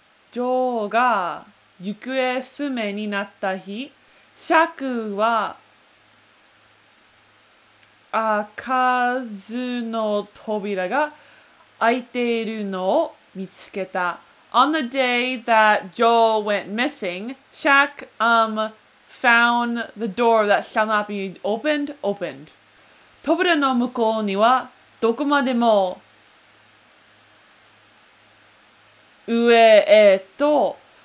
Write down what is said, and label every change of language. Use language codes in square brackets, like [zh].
[ja] ジョーが行方不明になった日、シャクは開かずの扉が開いているのを見つけた。 [en] On the day that Joe went missing, Shaq found the door that shall not be opened. [ja] 扉の向こうにはどこまでも上へと